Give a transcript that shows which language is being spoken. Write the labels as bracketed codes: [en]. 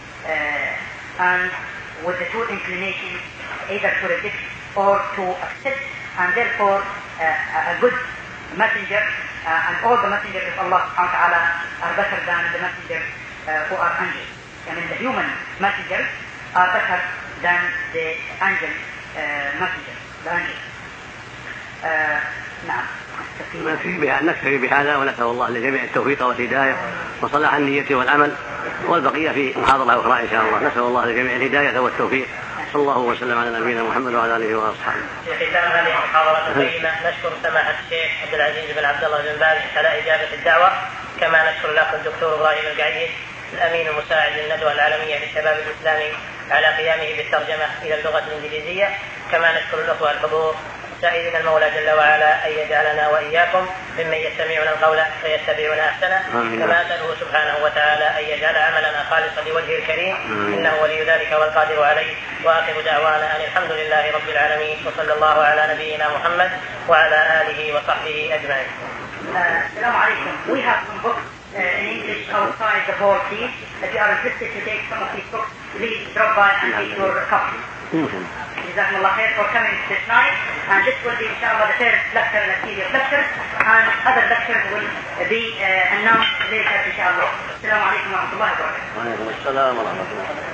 [en] and with the true inclination either to reject or to accept, and therefore a good messenger and all the messengers of Allah subhanahu wa ta'ala are better than the messengers who are angels. I mean the human messengers are better than the angel messengers, the angels. [ar] نعم. نفسي بها نفسي بهذا ونسأل الله لجميع التوفيق والهداية وصلاح النية والعمل والبقية في محاضرة أخرى إن شاء الله. نسأل الله لجميع الهداية والتوفيق، صلى الله وسلم على نبينا محمد وعلى آله وأصحابه. في ختام هذه المحاضرة الكريمة نشكر سماحة الشيخ عبد العزيز بن عبد الله بن باز على إجابة الدعوة، كما نشكر الأخ الدكتور إبراهيم القعيد الأمين المساعد للندوة العالمية للشباب الإسلامي على قيامه بالترجمة إلى اللغة الإنجليزية، كما نشكر الأخوة الحضور سائلين المولى جل وعلا أن يجعلنا وإياكم ممن يستمعون القول فيتبعون أحسنه، كما أسأله سبحانه وتعالى أن يجعل عملنا خالصا لوجهه الكريم إنه ولي ذلك والقادر عليه. وآخر دعوانا أن الحمد لله رب العالمين، وصلى الله على نبينا محمد وعلى آله وصحبه أجمعين. السلام عليكم. [en] We have some books in English outside the hall, please. If you are interested to take some of these books, please drop by and take your copy. [ar] جزاكم الله خير [en] for coming tonight, and this will be inshallah the third lecture in a series of lectures, and other lectures will be announced later inshallah. [ar] السلام عليكم ورحمة الله وبركاته. وعليكم السلام ورحمة الله.